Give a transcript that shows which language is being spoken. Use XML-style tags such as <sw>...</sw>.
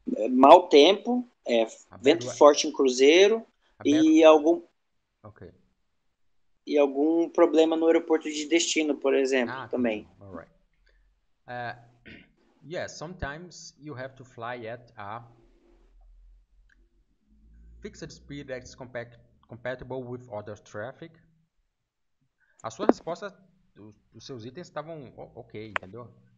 <pt>Mau tempo, vento forte em cruzeiro e algum problema no aeroporto de destino, por exemplo, também.</pt> <en>All right. Sometimes you have to fly at a fixed speed that is compatible with other traffic.</en> <pt>A sua resposta, os seus itens estavam ok, entendeu?</pt>